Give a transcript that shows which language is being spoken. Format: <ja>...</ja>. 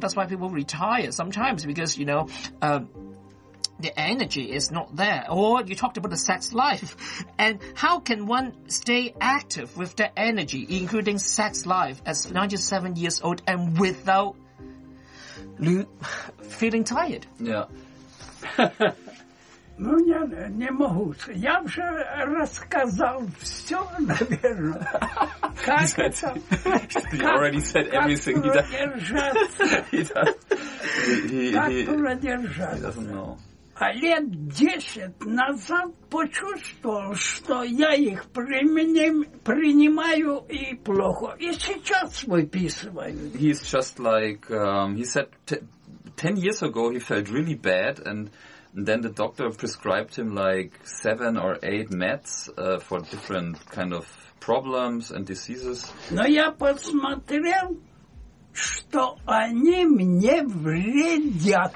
<en>That's why people retire sometimes, because, you know, the energy is not there. Or you talked about the sex life. And how can one stay active with the energy, including sex life, as 97 years old and without feeling tired? Yeah.</en> <ru>Ну, я не могу. Я уже рассказал все, наверное. Как это?</ru> <en>He already said everything.</en> <ru>Как продержаться? Как продержаться?</ru> <en>He doesn't know.</en> <ru>А лет 10 назад почувствовал, что я их принимаю и плохо. И сейчас выписываю.</ru> <en>He's just like... he said 10 years ago he felt really bad and... And then the doctor prescribed him like 7 or 8 meds for different kind of problems and diseases.</en> <ru>Но я посмотрел, что они мне вредят.</ru>